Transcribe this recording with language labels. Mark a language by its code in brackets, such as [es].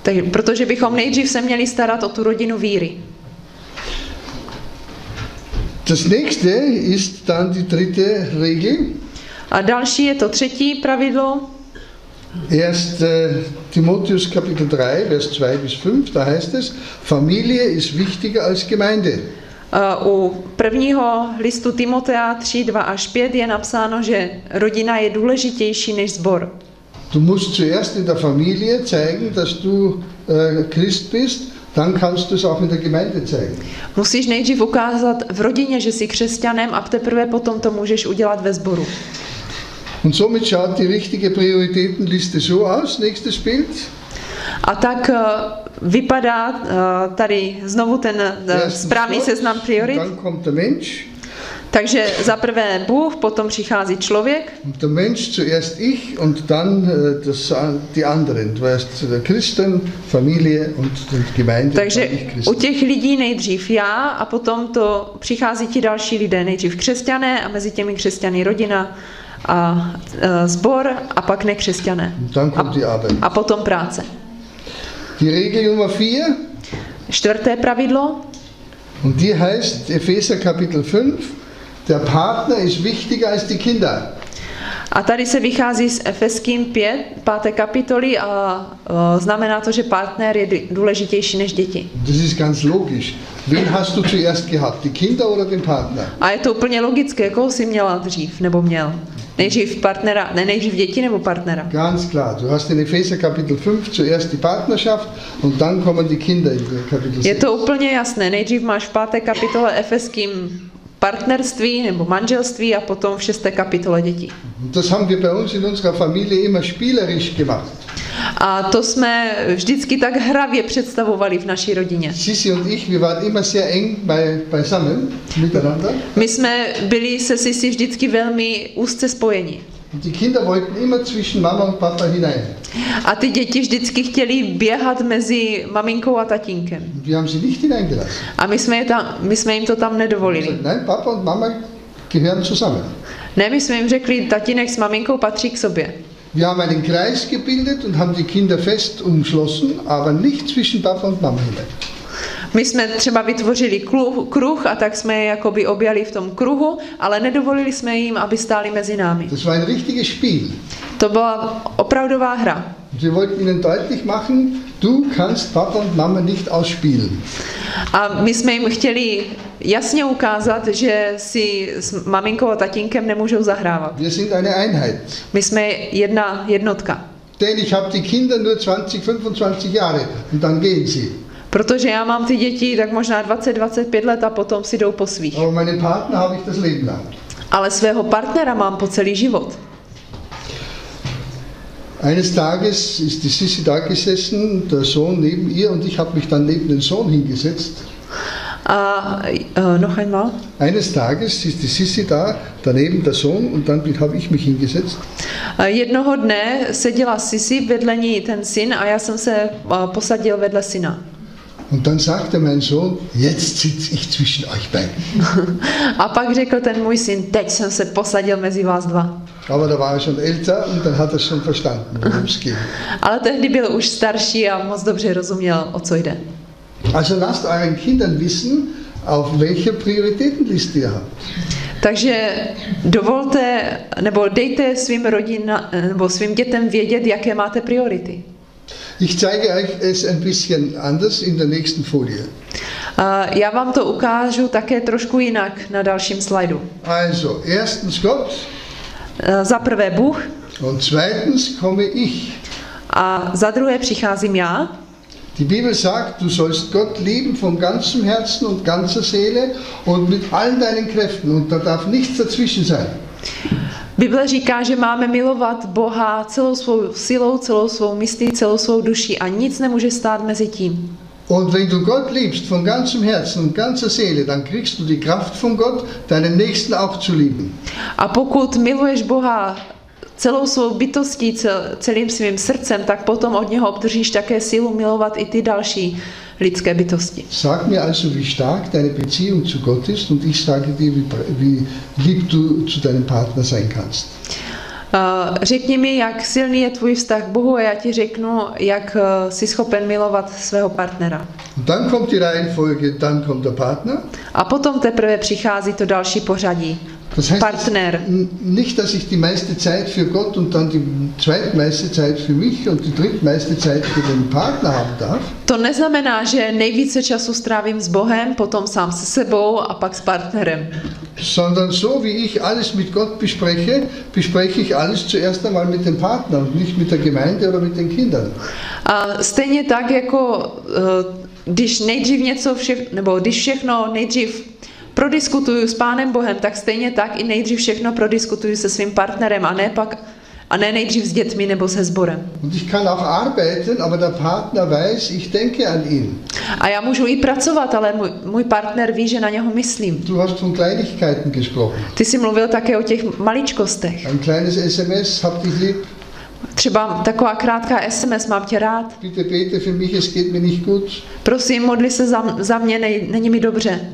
[cs] Protože bychom nejdřív se měli starat o tu rodinu víry. [de] Das nächste ist dann die dritte Regel. [cs] A další je to třetí pravidlo. [de] Erst Timotheus Kapitel 3 Vers 2 bis 5, da heißt es: Familie ist wichtiger als Gemeinde. [cs] U prvního listu Timotea 3, 2 až 5 je napsáno, že rodina je důležitější než sbor. [de] Du musst zuerst in der Familie zeigen, dass du Christ bist, dann kannst du es auch in der Gemeinde zeigen. [cs] Musíš nejdřív ukázat v rodině, že jsi křesťanem, a teprve potom to můžeš udělat ve sboru. [de] Und somit schaut die richtige Prioritätenliste so aus. Nächstes Bild. [cs] A tak vypadá tady znovu ten správný seznam priorit. [de] Dann kommt der Mensch. [cs] Takže za prvé Bůh, potom přichází člověk. [de] Der Mensch zuerst ich und dann das die anderen, du hast Christen, Familie und die Gemeinde. [cs] Takže u těch lidí nejdřív já a potom to přichází ti další lidé, nejdřív křesťané a mezi těmi křesťany rodina a sbor a pak nekřesťané. [de] Dann kommt die Arbeit. [cs] A potom práce. [de] Die Regel Nummer 4. [cs] Čtvrté pravidlo. [de] Und die heißt Epheser Kapitel 5. Der Partner ist wichtiger als die Kinder. [cs] A tady se vychází z Efeským 5, 5. kapitoly a znamená to, že partner je důležitější než děti. [de] Das ist ganz logisch. Wen hast du zuerst gehabt, die Kinder oder den Partner? [cs] A je to úplně logické, koho jsi měla dřív nebo měl? Nejdřív partnera, ne nejdřív děti nebo partnera? [de] Ganz klar, du hast in Epheser Kapitel 5 zuerst die Partnerschaft und dann kommen die Kinder in Kapitel 6. [cs] Je to úplně jasné, nejdřív máš v 5. kapitole Efeským partnerství nebo manželství a potom v 6. kapitole děti. [de] Das haben wir bei uns in unserer Familie immer spielerisch gemacht. [cs] A to jsme vždycky tak hravě představovali v naší rodině. [de] Sisi und ich, wir waren immer sehr eng beisammen, miteinander. [cs] My jsme byli se Sisi vždycky velmi úzce spojeni. [de] Die Kinder wollten immer zwischen Mama und Papa hinein. [cs] A ty děti vždycky chtěli běhat mezi maminkou a tatínkem. [de] Wir haben sie nicht hineingelassen. [cs] A my jsme jim to tam nedovolili. [de] Nein, Papa und Mama gehören zusammen. [cs] Ne, my jsme jim řekli, tatínek s maminkou patří k sobě. [de] Wir haben einen Kreis gebildet und haben die Kinder fest umschlossen, aber nicht zwischen Papa und Mama hinein. [cs] My jsme třeba vytvořili kruh a tak jsme je jakoby objali v tom kruhu, ale nedovolili jsme jim, aby stáli mezi námi. [de] Das war ein richtiges Spiel. [cs] To byla opravdová hra. [de] Wir wollten ihnen deutlich machen, du kannst Papa und Mama nicht ausspielen. [cs] A my jsme jim chtěli jasně ukázat, že si s maminkou a tatínkem nemůžou zahrávat. [de] Wir sind eine Einheit. [cs] My jsme jedna jednotka. [de] Denn ich habe die Kinder nur 20-25 Jahre und dann gehen sie. [cs] Protože já mám ty děti tak možná 20-25 let a potom si jdou po svých. [de] Ale mein Partner habe ich das Leben lang. [cs] Ale svého partnera mám po celý život. [de] Eines Tages ist die Sisi da gesessen, der Sohn neben ihr und ich habe mich dann neben den Sohn hingesetzt. Noch einmal. Eines Tages ist die Sisi da, daneben der Sohn und dann habe ich mich hingesetzt. [cs] Jednoho dne seděla Sisi vedle ní ten syn a já jsem se posadil vedle syna. [de] Und dann sagte mein Sohn: Jetzt sitze ich zwischen euch beiden. [cs] A pak řekl ten můj syn: Teď jsem se posadil mezi vás dva. [de] Aber da war er schon älter und dann hat er schon verstanden, worum es geht. [cs] Ale tehdy byl už starší a moc dobře rozuměl, o co jde. [de] Also lasst euren Kindern wissen, auf welche Prioritätenliste ihr habt. [cs] Takže dovolte nebo dejte svým rodinám nebo svým dětem vědět, jaké máte priority. [de] Ich zeige euch es ein bisschen anders in der nächsten Folie. [cs] Já vám to ukážu také trošku jinak na dalším slajdu. [de] Also, erstens Gott. [cs] Za prvé Bůh. [de] Und zweitens komme ich. [cs] A za druhé přicházím já. [de] Die Bibel sagt, du sollst Gott lieben von ganzem Herzen und ganzer Seele und mit allen deinen Kräften und da darf nichts dazwischen sein. [cs] Bible říká, že máme milovat Boha celou svou silou, celou svou myslí, celou svou duší a nic nemůže stát mezi tím. [de] Und wenn du Gott liebst von ganzem Herzen und ganzer Seele, dann kriegst du die Kraft von Gott, deinen Nächsten auch zu lieben. [cs] A pokud miluješ Boha celou svou bytostí, celým svým srdcem, tak potom od něho obdržíš také sílu milovat i ty další lidské bytosti. [de] Sag mir also, wie stark deine Beziehung zu Gott ist und ich sage dir, wie lieb du zu deinem Partner sein kannst. [cs] Řekni mi, jak silný je tvůj vztah k Bohu a já ti řeknu, jak jsi schopen milovat svého partnera. [de] Dann kommt die Reihenfolge, dann kommt der Partner. [cs] A potom teprve přichází to další pořadí. [de] Das heißt, Partner. Nicht, dass ich die meiste Zeit für Gott und dann die zweitmeiste Zeit für mich und die drittmeiste Zeit für den Partner haben darf. [cs] To neznamená, že nejvíce času strávím s Bohem, potom sám se sebou a pak s partnerem. [de] Sondern so wie ich alles mit Gott bespreche, bespreche ich alles zuerst einmal mit dem Partner und nicht mit der Gemeinde oder mit den Kindern. [cs] A stejně tak jako když nejdřív něco nejdřív prodiskutuju s Pánem Bohem, tak stejně tak i nejdřív všechno prodiskutuju se svým partnerem a ne pak a ne nejdřív s dětmi nebo se sborem. [de] Und ich kann auch arbeiten, aber der Partner weiß, ich denke an ihn. [cs] A já můžu i pracovat, ale můj partner ví, že na něho myslím. [de] Du hast von Kleinigkeiten gesprochen. [cs] Ty jsi mluvil také o těch maličkostech. [de] Ein kleines SMS, hab dich lieb. [cs] Třeba taková krátká SMS, mám tě rád. [de] Bitte bete für mich, es geht mir nicht gut. [cs] Prosím, modli se za mě, není mi dobře.